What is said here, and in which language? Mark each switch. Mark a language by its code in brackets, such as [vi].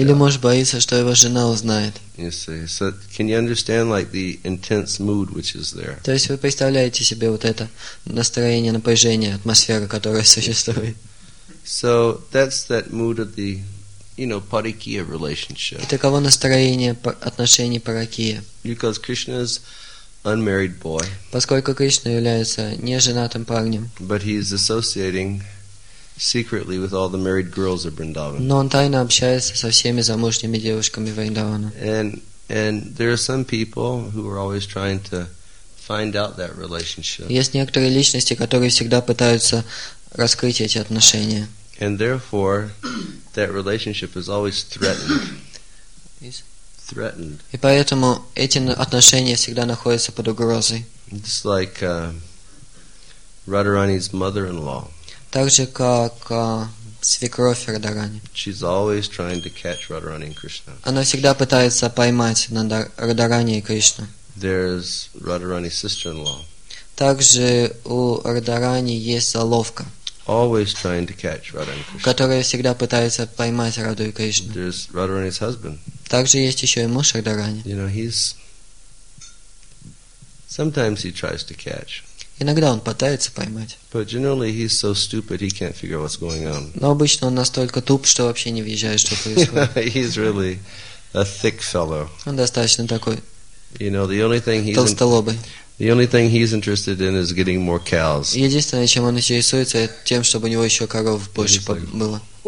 [ru] Или муж боится, что его жена узнает. [en] You see, so can you understand like the intense mood which is there? [ru] То есть вы представляете себе вот это настроение, напряжение, атмосфера, которая существует. [en] So that's that mood of the, you know, parikya relationship. [ru] И таково настроение отношений парикия. [en] Because Krishna's unmarried boy. [ru] Поскольку Кришна является неженатым парнем. [en] But he is associating secretly with all the married girls of Vrindavan. [ru] Но он тайно общается со всеми замужними девушками Вриндавана. [en] And there are some people who are always trying to find out that relationship. [ru] Есть некоторые личности, которые всегда пытаются раскрыть эти отношения. [en] And therefore, that relationship is always threatened. threatened. [ru] И поэтому эти отношения всегда находятся под угрозой. [en] Just like Radharani's mother-in-law. [ru] Так же, как свекровь Радхарани. [en] She's always trying to catch Radharani and Krishna. [ru] Она всегда пытается поймать Радхарани и Кришну. [en] There's Radharani's sister-in-law. [ru] Также у Радхарани есть заловка, [en] always trying to catch Radharani Krishna. [ru] Которая всегда пытается поймать Раду и Кришну. [en] There's Radharani's husband. [ru] Также есть еще и муж Радхарани. [en] You know, he's sometimes he tries to catch. [ru] Иногда он пытается поймать. [en] But generally he's so stupid he can't figure what's going on. [ru] Но обычно он настолько туп, что вообще не въезжает, что происходит. [en] He's really a thick fellow. [ru] Он достаточно такой. [en] You know, the only thing he's [ru] толстолобый. [en] The only thing he's interested in is getting more cows. [ru] Единственное, чем он интересуется, тем, чтобы у него еще коров больше было.